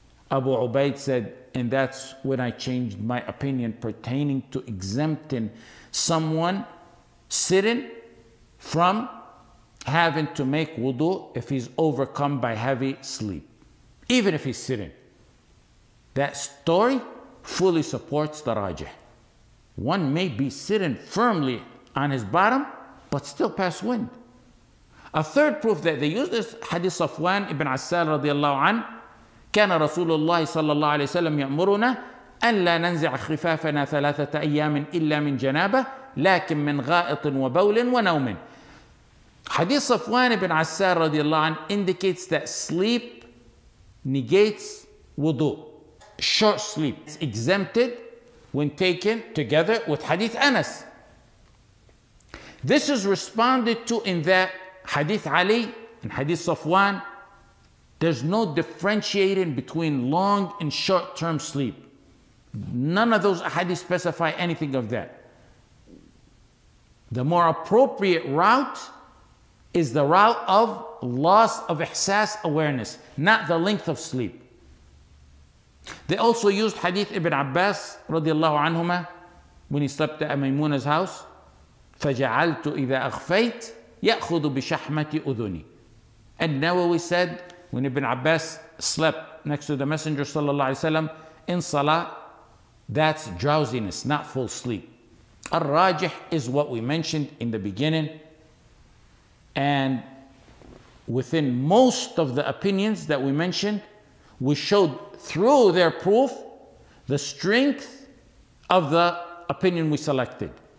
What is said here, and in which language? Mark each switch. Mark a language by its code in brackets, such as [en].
[en] Abu Ubaid said, and that's when I changed my opinion pertaining to exempting someone sitting from having to make wudu if he's overcome by heavy sleep, even if he's sitting. That story fully supports the rajah. One may be sitting firmly on his bottom, but still pass wind. A third proof that they use is Hadith Safwan ibn Asal radiallahu an. [ar] كان رسول الله صلى الله عليه وسلم يأمرنا أن لا ننزع خفافنا ثلاثة أيام إلا من جنابة لكن من غائط وبول ونوم. [en] Hadith Safwan ibn Asal radiallahu an indicates that sleep negates wudu. Short sleep is exempted when taken together with Hadith Anas. This is responded to in that Hadith Ali and Hadith Safwan. There's no differentiating between long and short-term sleep. None of those hadith specify anything of that. The more appropriate route is the route of loss of ihsas awareness, not the length of sleep. They also used Hadith Ibn Abbas radiallahu anhuma when he slept at Maymuna's house. [ar] فَجَعَلْتُ إِذَا أَخْفَيْتُ يَأْخُذُ بِشَحْمَةِ أُذُنِي. [en] And Nawawi said, when Ibn Abbas slept next to the Messenger sallallahu alayhi wa sallam in salah, that's drowsiness, not full sleep. Al-Rajih is what we mentioned in the beginning. And within most of the opinions that we mentioned, we showed through their proof the strength of the opinion we selected.